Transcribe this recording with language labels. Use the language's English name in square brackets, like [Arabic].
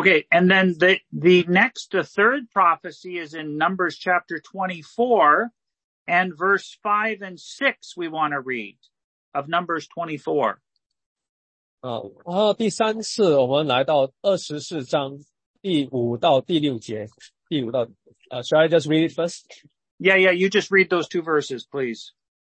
[English] and then the third prophecy is in Numbers chapter 24 and verse 5 and 6 we want to read of Numbers 24. [Chinese] 然后第三次我们来到24章第5到第6节。 [English] Should I just read it first? Yeah, yeah, you just read those two verses, please.